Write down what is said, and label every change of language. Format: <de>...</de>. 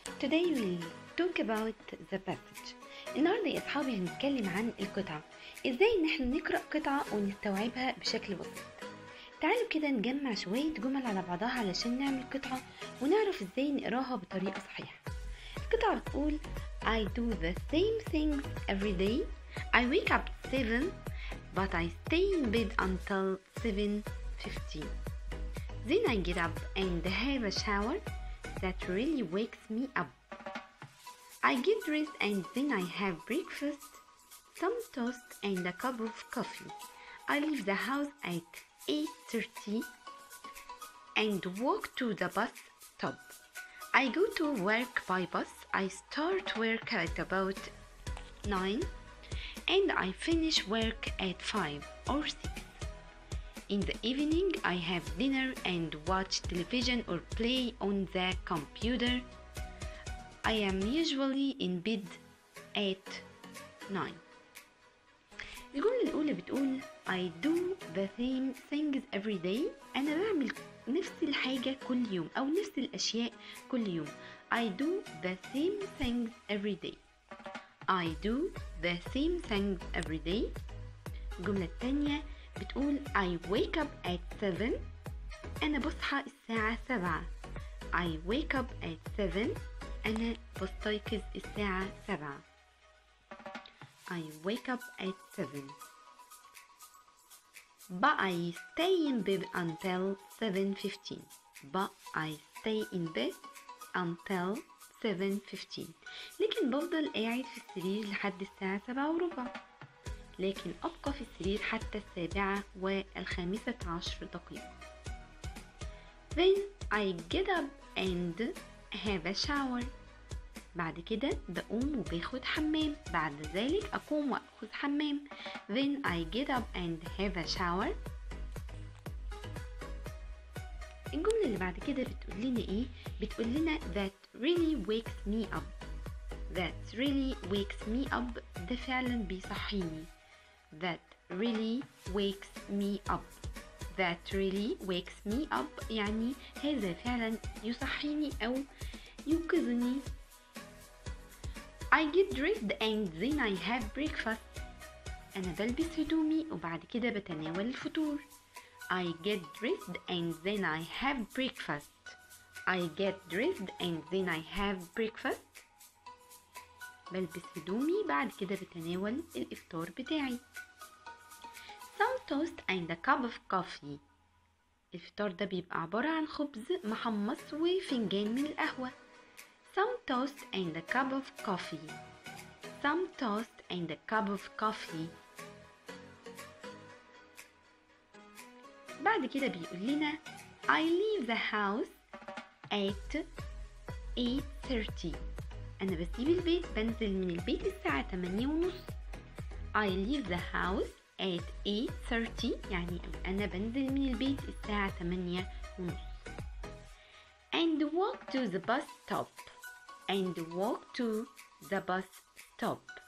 <en>Today we'll talk about the passage.</en> <ar>النهاردة يا أصحابي هنتكلم عن القطعة. إزاي نحن نقرأ قطعة ونستوعبها بشكل بسيط. تعالوا كده نجمع شوية جمل على بعضها علشان نعمل قطعة ونعرف إزاي نقرأها بطريقة صحيحة. القطعة بتقول</ar> <en>I do the same things every day. I wake up 7 but I stay in bed until 7:15. Then I get up and have a shower. That really wakes me up. I get dressed and then I have breakfast, some toast and a cup of coffee. I leave the house at 8:30 and walk to the bus stop. I go to work by bus. I start work at about 9 and I finish work at 5 or 6. In the evening, I have dinner and watch television or play on the computer. I am usually in bed at 9.</en> <ar>الجملة الأولى بتقول</ar> <en>I do the same things every day.</en> <ar>أنا بعمل نفس الحاجة كل يوم أو نفس الأشياء كل يوم.</ar> <en>I do the same things every day. I do the same things every day.</en> <ar>الجملة الثانية بتقول</ar> <en>I wake up at 7.</en> <ar>أنا بصحى الساعة 7.</ar> <en>I wake up at 7.</en> <ar>أنا بستيقظ الساعة 7.</ar> <en>I wake up at 7. But I stay in bed until 7:15. But I stay in bed until 7:15.</en> <ar>لكن بفضل قاعد في السرير لحد الساعة 7:15. لكن أبقى في السرير حتى 7:15.</ar> <en>Then I get up and have a shower.</en> <ar>بعد كده بقوم وباخد حمام. بعد ذلك أقوم وأخذ حمام.</ar> <en>Then I get up and have a shower.</en> <ar>الجملة اللي بعد كده بتقول لنا إيه؟ بتقول لنا</ar> <en>that really wakes me up. That really wakes me up.</en> <ar>ده فعلا بيصحيني.</ar> <en>That really wakes me up. That really wakes me up.</en> <ar>يعني هذا فعلا يصحيني أو يوقظني.</ar> <en>I get dressed and then I have breakfast.</en> <ar>أنا بلبس هدومي وبعد كده بتناول الفطور.</ar> <en>I get dressed and then I have breakfast. I get dressed and then I have breakfast.</en> <ar>بلبس هدومي بعد كده بتناول الإفطار بتاعي.</ar> <en>Some toast and a cup of coffee.</en> <ar>الفطار ده بيبقى عبارة عن خبز محمص وفنجان من القهوة.</ar> <en>Some toast and a cup of coffee. Some toast and a cup of coffee.</en> <ar>بعد كده بيقول لنا</ar> <en>I leave the house at 8:30.</en> <ar>أنا بسيب البيت بنزل من البيت الساعة 8:30.</ar> <en>I leave the house at 8:30</en> <ar>يعني أنا بنزل من البيت الساعة 8:30.</ar> <en>And walk to the bus stop. And walk to the bus stop.</en>